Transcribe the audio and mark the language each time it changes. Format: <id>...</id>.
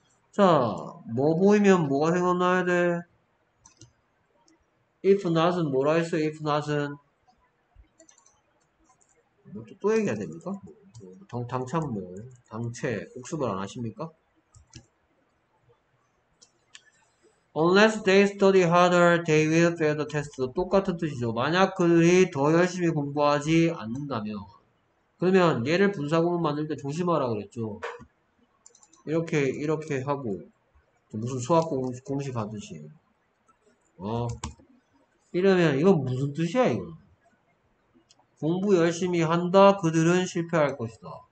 <ko>자, 뭐 보이면 뭐가 생각나야 돼? If not은 뭐라 했어? If not은? 뭐또 얘기해야 됩니까? 당참 뭐, 당체, 복습을 안 하십니까?</ko> <en>Unless they study harder, they will fail the test.</en> <ko>똑같은 뜻이죠. 만약 그들이 더 열심히 공부하지 않는다면. 그러면 얘를 분사구문 만들 때 조심하라 그랬죠. 이렇게 하고. 무슨 수학 공식 하듯이. 이러면 이건 무슨 뜻이야, 이거? 공부 열심히 한다, 그들은 실패할 것이다.</ko>